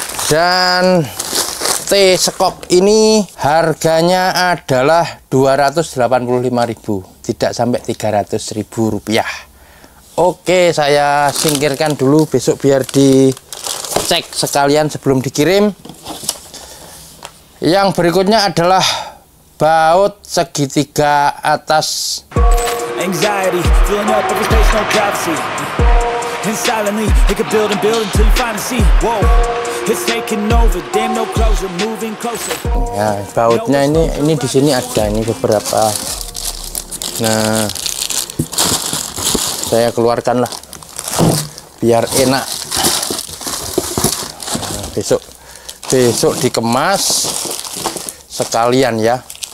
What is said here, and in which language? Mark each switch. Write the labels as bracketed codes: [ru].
[id] Dan T sekok ini harganya adalah Rp285.000, tidak sampai Rp300.000. Oke, saya singkirkan dulu besok biar dicek sekalian sebelum dikirim. Yang berikutnya adalah baut segitiga atas. [en] Anxiety filling up every space, no privacy. And silently it could build and build until you finally see. Whoa, it's taking over. Damn, no closure, moving closer. [id] Ya, bautnya ini di sini ada ini beberapa. Nah, saya keluarkan lah biar enak. Nah, besok besok dikemas sekalian ya.